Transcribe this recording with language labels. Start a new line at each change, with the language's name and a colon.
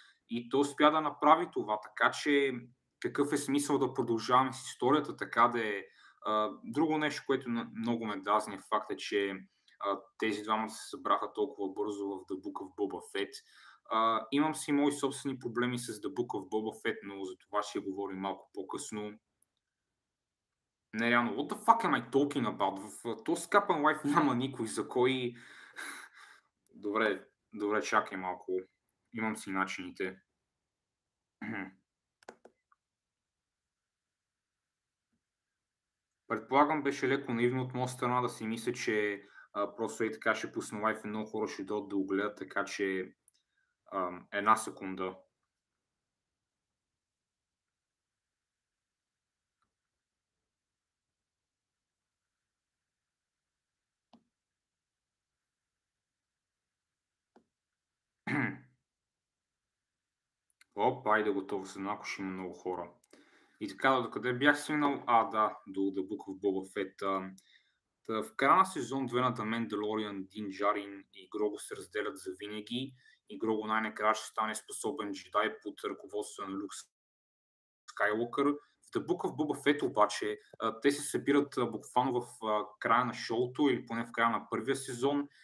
Bulgarian: И той успя да направи това, така че какъв е смисъл да продължаваме с историята, така да е. Друго нещо, което много ме дразни е факта, че тези двама се събраха толкова бързо в The Book of Boba Fett. Имам си мои собствени проблеми с The Book of Boba Fett, но за това ще говорим малко по-късно. Нереално,
English: what the fuck am I talking about?
Bulgarian: В този капан лайф няма никой, за кой... Добре, чакай малко. Имам си начините. Предполагам, беше леко наивно от моя страна да си мисля, че просто и така ще пусна лайф и много хора ще дойдат да огледат, така че една секунда. Опа, айде, готово се, ако ще има много хора. И така, докъде бях свинал? А, да, до The Book of Boba Fett. В края на сезон 2 на The Mandalorian, Дин Джарин и Грогу се разделят за винаги. И Грогу най-накрая ще стане способен джедай под ръководство на Люк Скайуокър. В The Book of Boba Fett обаче, те се събират буквално в края на шоуто или поне в края на първия сезон.